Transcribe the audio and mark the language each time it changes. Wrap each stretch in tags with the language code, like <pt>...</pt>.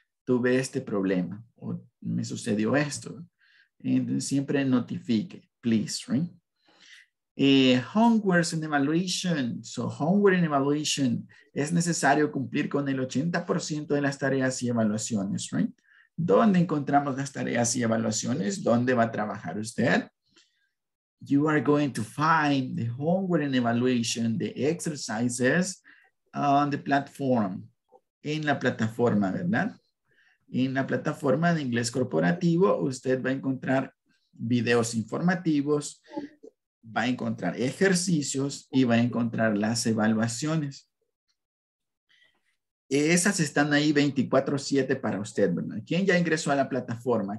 <es>tuve este problema o me sucedió esto. Entonces, siempre notifique, please, right?</es> <en>Homework and evaluation. So, homework and evaluation.</en> <es>Es necesario cumplir con el 80% de las tareas y evaluaciones, right? ¿Dónde encontramos las tareas y evaluaciones? ¿Dónde va a trabajar usted?</es> <en>You are going to find the homework and evaluation, the exercises on the platform.</en> <es>En la plataforma, ¿verdad? En la plataforma de inglés corporativo, usted va a encontrar videos informativos, va a encontrar ejercicios y va a encontrar las evaluaciones. Esas están ahí 24/7 para usted, ¿verdad? ¿Quién ya ingresó a la plataforma?</es>